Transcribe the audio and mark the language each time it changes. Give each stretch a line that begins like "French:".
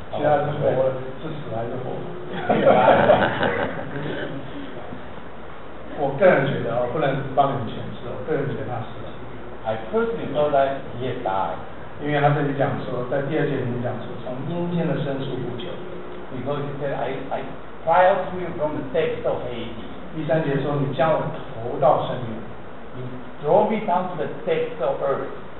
Chinese: 其他人活是死还是活？我个人觉得，我不能帮你们诠释，我个人觉得他死了。
English: I personally know that he died，
Chinese: 因为他这里讲说，在第二节里面讲说，从阴间的深处呼救。
English: Because he said I cry out to you from the depths of Hades.
Chinese: 第三节说你将我投到深渊。
English: You draw me down to the depths of earth.